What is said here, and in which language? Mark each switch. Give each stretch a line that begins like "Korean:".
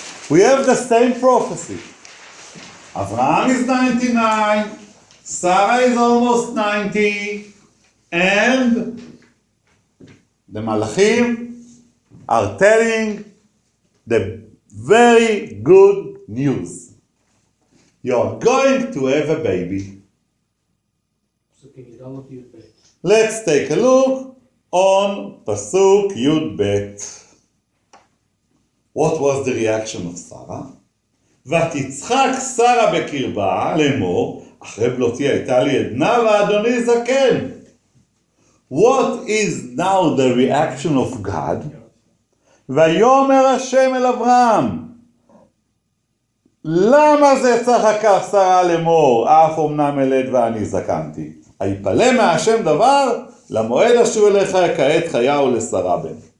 English: We have the same prophecy. Avraham is 99, Sarah is almost 90, and the Malachim are telling the very good news. You're going to have a baby. So can you download Yud Bet? Let's take a look on Pasuk Yud Bet. What was the reaction of Sarah?
Hebrew: ותצחק שרה בקרבה לאמור, אחרי בלותי הייתה לי עדנה ואדוני זקן.
English: What is now the reaction of God?
Hebrew: ויאמר השם אל אברהם, למה זה צחקה שרה לאמור, אף אמנם אלד ואני זקנתי. היפלא מהשם דבר, למועד אשוב אליך כעת חיה ולשרה בן.